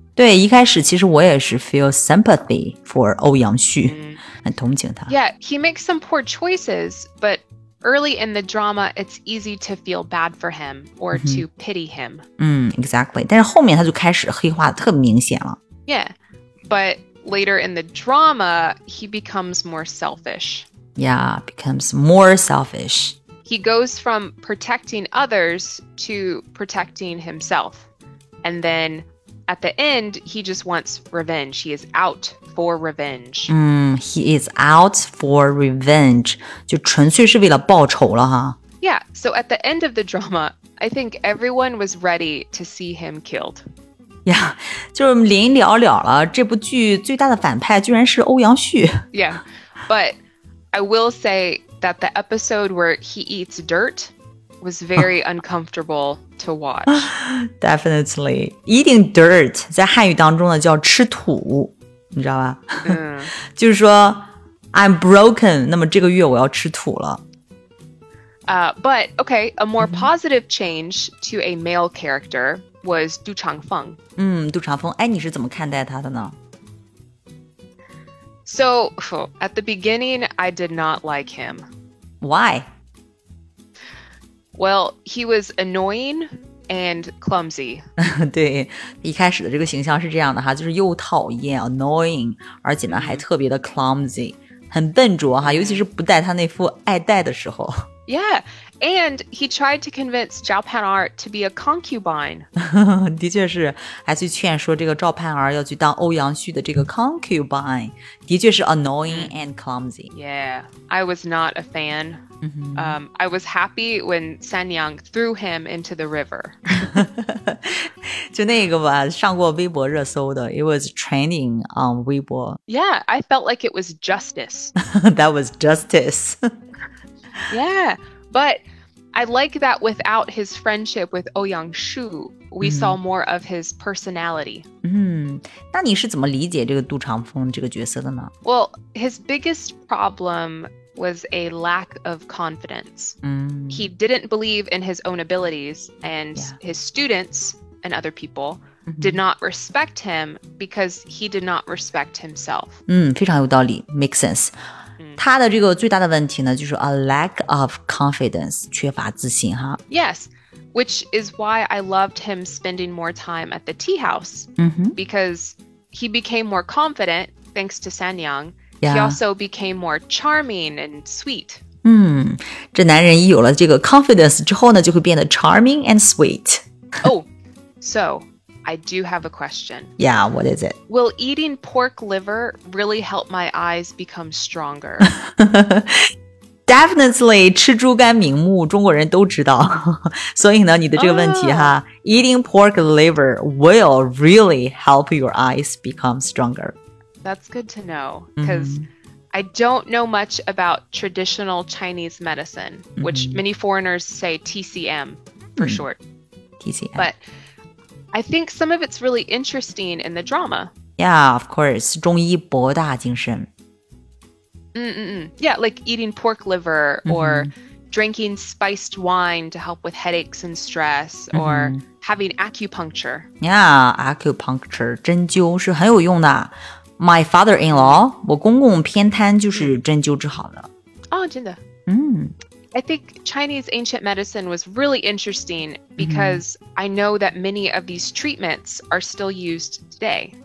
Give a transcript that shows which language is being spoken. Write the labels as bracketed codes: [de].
[zh] 对,一开始其实我也是 [en] feel sympathy for Ouyang Shu. [zh] 很同情他。 [en] Yeah, he makes some poor choices, but... Early in the drama, it's easy to feel bad for him or to pity him. Exactly. [zh] 但是后面他就开始黑化特别明显了。 [en] Yeah, but later in the drama, he becomes more selfish. Yeah, becomes more selfish. He goes from protecting others to protecting himself. And then at the end, he just wants revenge. He is out. For revenge. He is out for revenge. [zh] 就纯粹是为了报仇了哈。 [en] Yeah, so at the end of the drama, I think everyone was ready to see him killed. [zh] Yeah, 就是临了了了，这部剧最大的反派居然是欧阳旭。 [en] Yeah, but I will say that the episode where he eats dirt was very uncomfortable to watch. Definitely. [zh] Eating dirt 在汉语当中呢叫吃土。你知道吧？就是说 ， [en] I'm broken。 [zh] 那么这个月我要吃土了。 [en] But okay, a more positive change to a male character was Du Chengfeng. [zh] 杜长风，哎，你是怎么看待他的呢 [en] ？So at the beginning, I did not like him. Why? Well, he was annoying. And clumsy. [zh] 对，一开始的这个形象是这样的哈，就是又讨厌 annoying， 而且呢还特别的 clumsy， 很笨拙哈，尤其是不戴他那副爱戴的时候。 [en] Yeah, And he tried to convince Zhao Panar to be a concubine. [zh] 的确是，还去劝说这个赵盼儿要去当欧阳旭的这个 concubine。的确是 [en] annoying and clumsy. Yeah, I was not a fan. I was happy when San Yang threw him into the river. [zh] 就那个吧，上过微博热搜的 ， [en] It was trending on Weibo. Yeah, I felt like it was justice. That was justice. Yeah. But I like that without his friendship with Ouyang Shu, we saw more of his personality. [zh] 那你是怎么理解这个杜长风这个角色的呢？ [en] Well, his biggest problem was a lack of confidence. He didn't believe in his own abilities, and his students and other people did not respect him because he did not respect himself. [zh] 非常有道理 , [en] makes sense. [zh] 他的这个最大的问题呢，就是 [en] a lack of confidence, [zh] 缺乏自信哈。 [en] Yes, which is why I loved him spending more time at the tea house, because he became more confident thanks to San Yang. He also became more charming and sweet. [zh] 这男人一有了这个 confidence 之后呢，就会变得 [en] charming and sweet. Oh, so... I do have a question. Yeah, what is it? Will eating pork liver really help my eyes become stronger? [zh] Definitely, 吃猪肝明目，中国人都知道。所以呢，你的这个问题哈 , [en] eating pork liver will really help your eyes become stronger. That's good to know, because I don't know much about traditional Chinese medicine, which many foreigners say TCM for short. TCM. But... I think some of it's really interesting in the drama. Yeah, of course. [zh] 中医博大精深。 [en] Yeah, like eating pork liver or drinking spiced wine to help with headaches and stress or having acupuncture. [zh] Yeah, acupuncture, 针灸是很有用的。 [en] My father-in-law, [zh] 我公公偏瘫就是针灸治好的。 Oh, 真的。 [en] I think Chinese ancient medicine was really interesting because I know that many of these treatments are still used today.